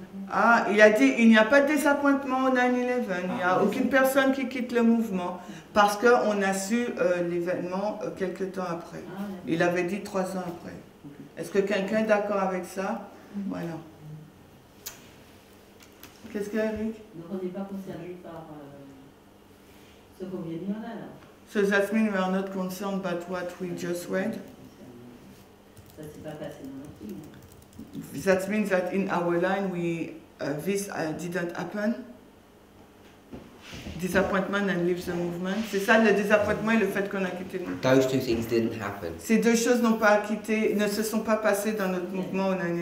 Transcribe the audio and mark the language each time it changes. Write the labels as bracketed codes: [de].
[fr] Ah, il a dit, il n'y a pas de désappointement au 9-11, il n'y a aucune personne qui quitte le mouvement, parce qu'on a su l'événement quelques temps après. Il avait dit 3 ans après. Est-ce que quelqu'un est d'accord avec ça? Voilà. Qu'est-ce qu'il y a, Eric? Donc on n'est pas concerné par ce qu'on vient de dire là, là. [en] So that means we are not concerned about what we just read? [fr] Ça ne s'est pas passé dans notre film. [en] That means that in our line, we this didn't happen. Disappointment and leaves the movement. [fr] C'est ça le désappointement et le fait qu'on a quitté. [en] Those two things didn't happen. [fr] Ces deux choses n'ont pas quitté, ne se sont pas passées dans notre mouvement au 9-11.